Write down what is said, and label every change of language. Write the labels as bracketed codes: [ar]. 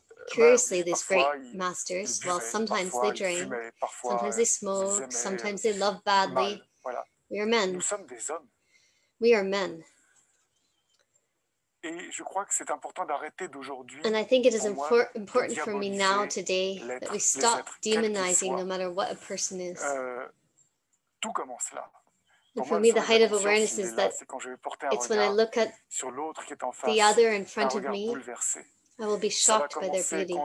[en] Curiously, these great masters, well, sometimes they drink, sometimes they smoke, sometimes they love badly. We are men. We are men. [fr] Et je crois que c'est important d'arrêter d'aujourd'hui. [en] And I think it is important for me now today that we stop demonizing no matter what a person is. [fr] Tout commence là. [en] And for me, the height of awareness is that it's when I look at the other in front of me, I will be shocked by their beauty.